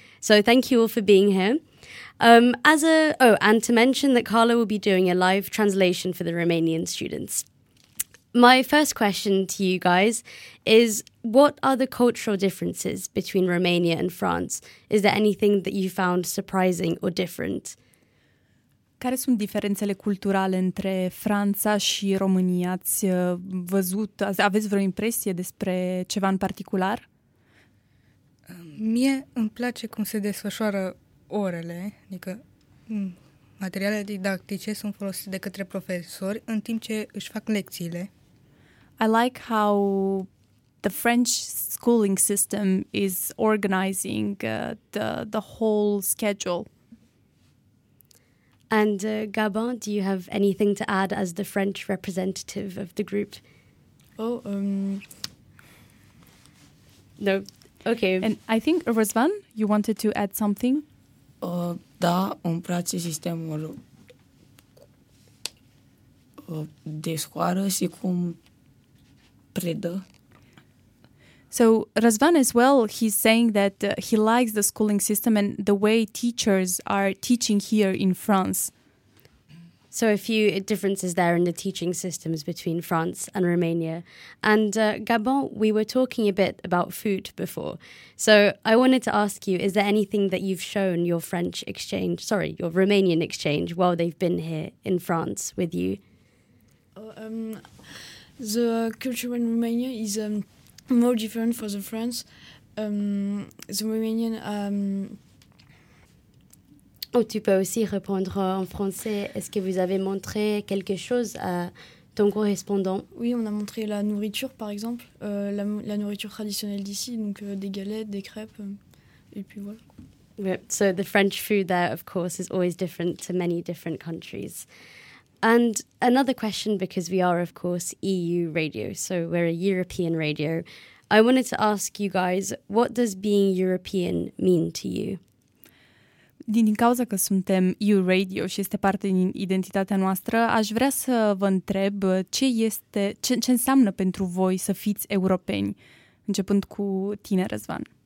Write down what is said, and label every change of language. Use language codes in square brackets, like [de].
[en] So thank you all for being here. And to mention that Carla will be doing a live translation for the Romanian students. My first question to you guys is, what are the cultural differences between Romania and France? Is there anything that you found surprising or different? [ro] Care sunt diferențele culturale între Franța și România? Ați văzut, aveți vreo impresie despre ceva în particular? Mie îmi place cum se desfășoară orele, adică materiale didactice sunt folosite de către profesori în timp ce își fac lecțiile. [en] I like how the French schooling system is organizing the whole schedule. And Gabin, do you have anything to add as the French representative of the group? No. Okay. And I think, Răzvan, you wanted to add something? [ro] Da, îmi place sistemul de școală și cum predă. [en] So, Răzvan as well, he's saying that he likes the schooling system and the way teachers are teaching here in France. So a few differences there in the teaching systems between France and Romania. And Gabin, we were talking a bit about food before. So I wanted to ask you, is there anything that you've shown your French exchange, sorry, your Romanian exchange, while they've been here in France with you? The culture in Romania is more different from the France. The Romanian... [fr] Oh, tu peux aussi répondre en français. Est-ce que vous avez montré quelque chose à ton correspondant? Oui, on a montré la nourriture, par exemple, la nourriture traditionnelle d'ici, donc des galettes, des crêpes, et puis voilà. [en] Yep. So the French food there, of course, is always different to many different countries. And another question, because we are, of course, EU radio, so we're a European radio. I wanted to ask you guys, what does being European mean to you? [ro] Din cauza că suntem Euradio și este parte din identitatea noastră, aș vrea să vă întreb ce este, ce înseamnă pentru voi să fiți europeni, începând cu tine, Răzvan.